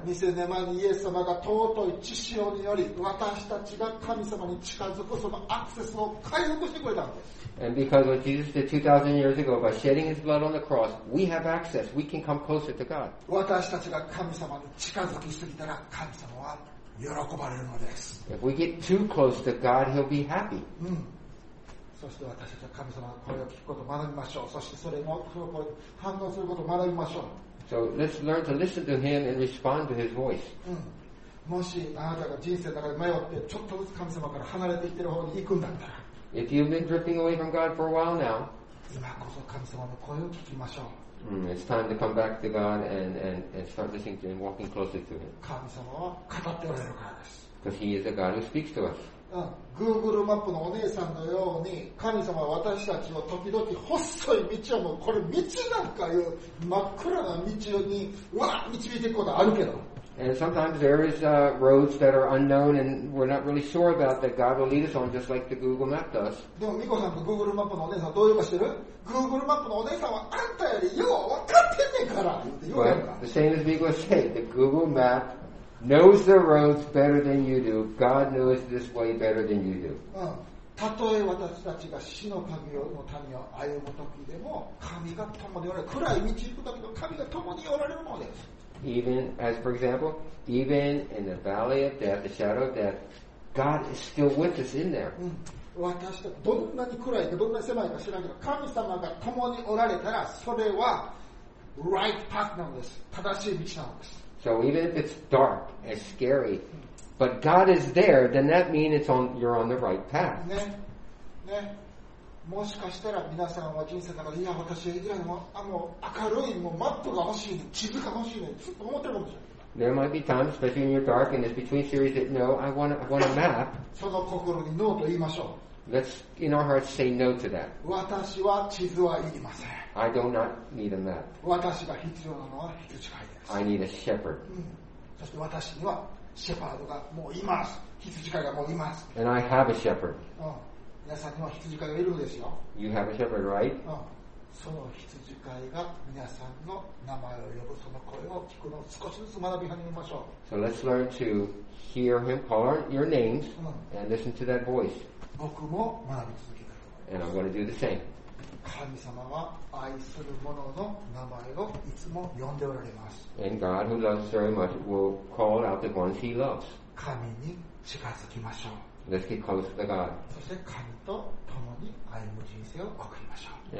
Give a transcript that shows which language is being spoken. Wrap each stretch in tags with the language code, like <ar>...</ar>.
<ja>2000年前にイエス様が尊い血潮により私たちが神様に近づくそのアクセスを回復してくれたんです。</ja> <en>And because when Jesus did 2000 years ago by shedding his blood on the cross, we have access. We can come closer to God.</en> <ja>私たちが神様に近づきすぎたら神様は喜ばれるのです。</ja> <en>If we get too close to God, he'll be happy.</en> <ja>そして私たちは神様の声を聞くことを学びましょう。そしてそれの声に反応することを学びましょう。</ja> <en>So let's learn to listen to him and respond to his voice.</en> <ja>もしあなたが人生の中で迷ってちょっとずつ神様から離れてきてる方に行くんだったら、</ja> <en>If you've been drifting away from God for a while now,</en> <ja>今こそ神様の声を聞きましょう。</ja> <en>It's time to come back to God and start listening to him, walking closer to him.</en> <ja>神様は語っておられるからです。</ja> <en>Because he is a God who speaks to us.</en> <ja>Google マップのお姉さんのように神様は私たちを時々細い道をもうこれ道なんかいう真っ暗な道にわー導いていくことあるけど。</ja> <en>And sometimes there is roads that are unknown and we're not really sure about that God will lead us on just like the Google map does.</en> <ja>でもミコさんと Google マップのお姉さんどういうか知ってる？Google マップのお姉さんはあんたよりよう分かってんねんから。</ja> <en>The same as Miko said, the Google map knows the roads better than you do. God knows this way better than you do.</en> <ja>たとえ私たちが死の神をの民を歩む時でも、神が共におられる。暗い道行く時の神が共におられるのです。</ja> <en>Even as for example, even in the valley of death, the shadow of death, God is still with us in there.</en> <ja>私たちどんなに暗いかどんなに狭いか知らんけど、神様が共におられたらそれは</ja> <en>right path</en> <ja>なんです。正しい道なんです。</ja> <en>So even if it's dark and scary, but God is there, then that means it's on, you're on the right path.</en> <ja>ね、ね、もしかしたら皆さんは人生の中でいや私以外のあの明るいもうマットが欲しいね、地図が欲しいね、ずっと思ってるもんじゃん。</ja> <en>There might be times, especially when you're dark and it's between series, that no, I want a map.</en> <ja>その心にノーと言いましょう。</ja> <en>Let's in our hearts say no to that.</en> <ja>私は地図はいりません。</ja> <en>I do not need a map.</en> <ja>私が必要なのは羊飼いです。</ja> <en>I need a shepherd.</en> <ja>そして私にはシェパードがもういます。羊飼いがもういます。</ja> <en>And I have a shepherd.</en> <ja>皆さんには羊飼いがいるんですよ。</ja> <en>You have a shepherd, right?</en> <ja>その羊飼いが皆さんの名前を呼ぶその声を聞くのを少しずつ学び始めましょう。</ja> <en>So let's learn to hear him call your names and listen to that voice.</en> <ja>僕も学び続けたい。</ja> <en>And I'm going to do the same.</en> <ja>神様は愛する者の名前をいつも呼んでおられます。</ja> <en>And God who loves very much will call out the ones he loves.</en> <ja>神に近づきましょう。</ja> <en>Let's get close to God.</en> <ja>そして神と共に歩む人生を送りましょう。</ja>